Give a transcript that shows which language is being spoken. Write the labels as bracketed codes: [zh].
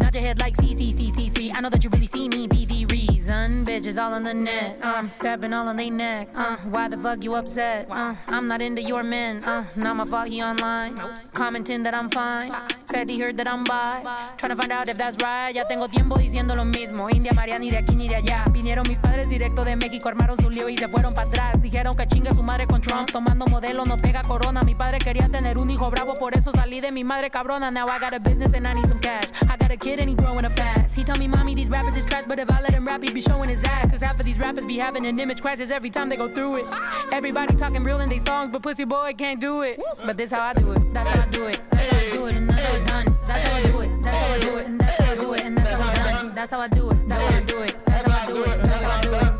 [en] Nod your head like CCCCC. I know that you really see me. Be the reason. Bitches all on the net. Stepping all on they neck. Why the fuck you upset? I'm not into your men. Not my fault, he online. Commenting that I'm fine. Said he heard that I'm bi. Trying to find out if that's right. [es] Ya tengo tiempo diciendo lo mismo. India, María, ni de aquí ni de allá. Vinieron mis padres directo de México, armaron su lío y se fueron para atrás. Dijeron que chinga su madre con Trump. Tomando modelo, no pega corona. Mi padre quería tener un hijo bravo, por eso salí de mi madre cabrona. [en] Now I got a business and I need some cash. I got a kid and he growing up fast. He tell me mommy these rappers is trash, but if I let him rap, he be showing his ass. Cause half of these rappers be having an image crisis every time they go through it. Everybody talking real in their songs, but pussy boy can't do it. But this how I do it. That's how I do it. That's how I do it. And that's how it's done. That's how I do it. That's how I do it. And that's how I do it. And that's how it's done. That's how I do it. That's how I do it. That's how I do it. That's how I do it.